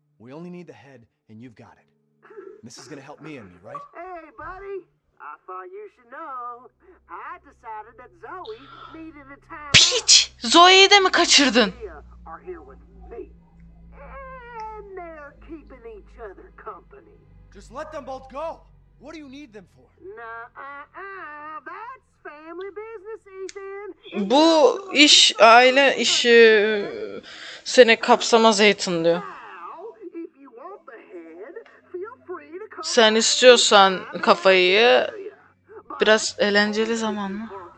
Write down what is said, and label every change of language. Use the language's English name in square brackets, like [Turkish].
[English] We only need the head and you've got it. This is gonna help me and me, right? Hey, buddy. I thought you should know. I decided that Zoe needed a time. [Turkish] Peach, Zoe'yi de mi kaçırdın? [English] And they're keeping each other company. Just let them both go. What do you need them for? That's family business, Ethan. [Turkish] Bu iş aile işi seni kapsamaz Ethan diyor. Sen istiyorsan kafayı biraz eğlenceli zaman mı?